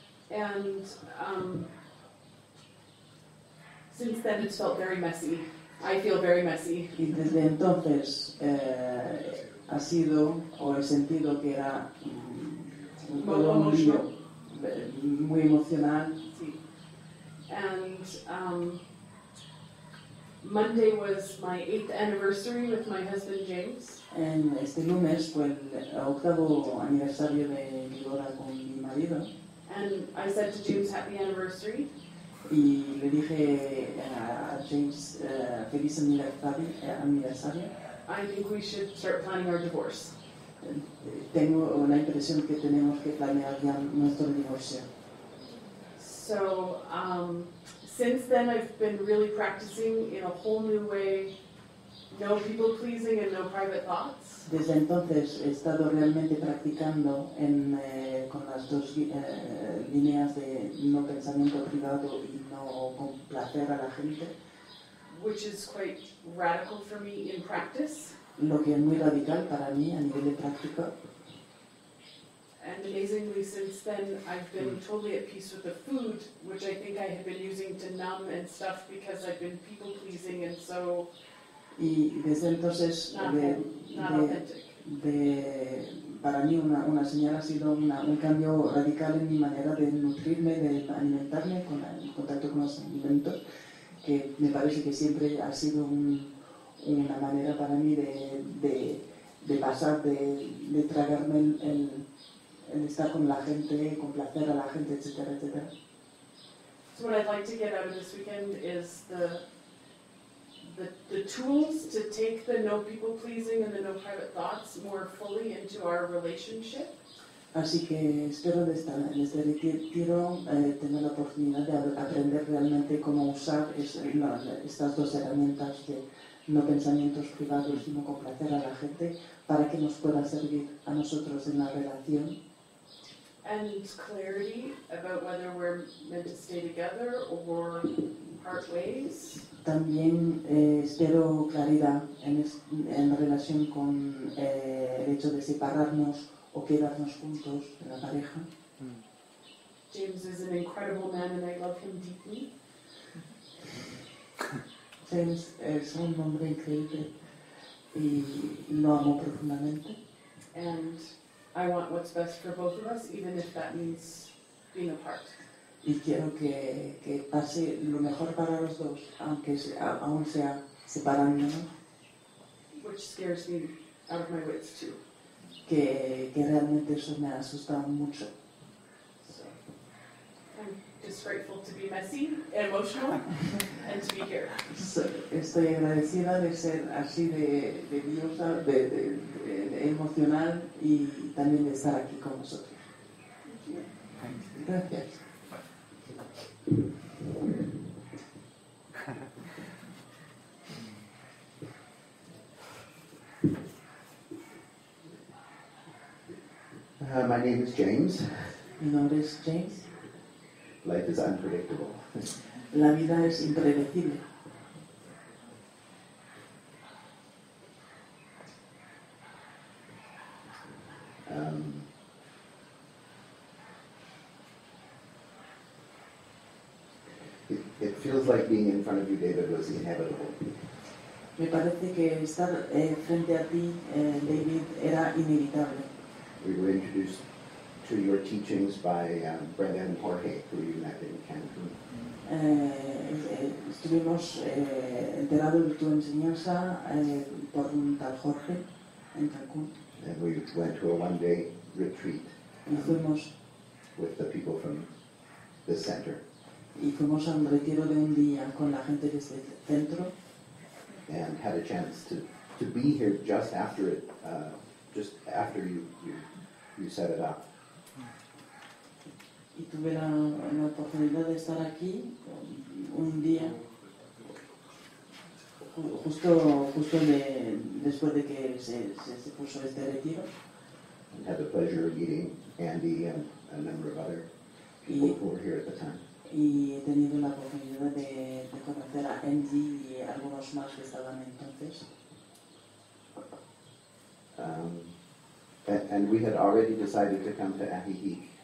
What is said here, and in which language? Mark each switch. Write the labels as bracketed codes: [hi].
[en] And since then it's felt very messy. I feel very messy. [es] Y desde entonces ha sido o he sentido que era muy emocional. Sí. [en] And Monday was my 8th anniversary with my husband James. [es] En este lunes fue el octavo aniversario de mi boda con mi marido. [en] And I said to James, happy anniversary. [es] Y le dije a James, feliz aniversario. [en] I think we should start planning our divorce. [es] Tengo una impresión que tenemos que planear ya nuestro divorcio. [en] So, since then I've been really practicing in a whole new way. No people pleasing and no private thoughts. [es] Desde entonces he estado realmente practicando en con las dos líneas de no pensamiento privado y no complacer a la gente. [en] Which is quite radical for me in practice. [es] Lo que es muy radical para mí a nivel de práctica. [en] And amazingly, since then I've been totally at peace with the food, which I think I have been using to numb and stuff because I've been people pleasing and so. [es] Y desde entonces, para mí una señal ha sido un cambio radical en mi manera de nutrirme, de alimentarme con el contacto con los alimentos, que me parece que siempre ha sido una manera para mí de pasar, de tragarme el estar con la gente, complacer a la gente, etcétera, etcétera. [en] So what I'd like to get out of this weekend is the the tools to take the no people pleasing and the no private thoughts more fully into our relationship. [es] Así que espero de esta en este retiro tener la oportunidad de aprender realmente cómo usar estas dos herramientas de no pensamientos privados y no complacer a la gente para que nos pueda servir a nosotros en la relación. [en] And clarity about whether we're meant to stay together or part ways. [es] También espero claridad en relación con el hecho de separarnos o quedarnos juntos en la pareja. [en] James is an incredible man and I love him deeply. [es] James es un hombre increíble y lo amo profundamente. [en] And I want what's best for both of us, even if that means being apart. [es] Y quiero que pase lo mejor para los dos, aunque aún sea separándonos. [en] Which scares me out of my wits too. [es] Que realmente eso me ha asustado mucho. [en] So, I'm just grateful to be messy and emotional and to be here. [es] So, estoy agradecida de ser así de diosa, de emocional y también de estar aquí con vosotros. [en] Thank you. [es] Gracias. [en] My name is James. Your name is James. Life is unpredictable. [es] La vida es impredecible. [en] It feels like being in front of you, David, was inevitable. [es] Me parece que estar frente a ti, David, era inevitable. [en] We were introduced to your teachings by Brenda and Jorge, who you met in Cancun. [es] Estuvimos enterados de tu enseñanza por un tal Jorge en Cancún. [en] And we went to a one-day retreat with the people from the center. [es] Y fuimos a un retiro de un día con la gente de este centro. [en] And had a chance to be here just after it, just after you set it up. [es] Y tuve la oportunidad de estar aquí un día, justo después de que se puso este retiro. [en] And had the pleasure of meeting Andy and a number of other people who were here at the time. [es] Y he tenido la oportunidad de conocer a Andy y algunos más que estaban entonces. [en] And we had already decided to come to Ajijic.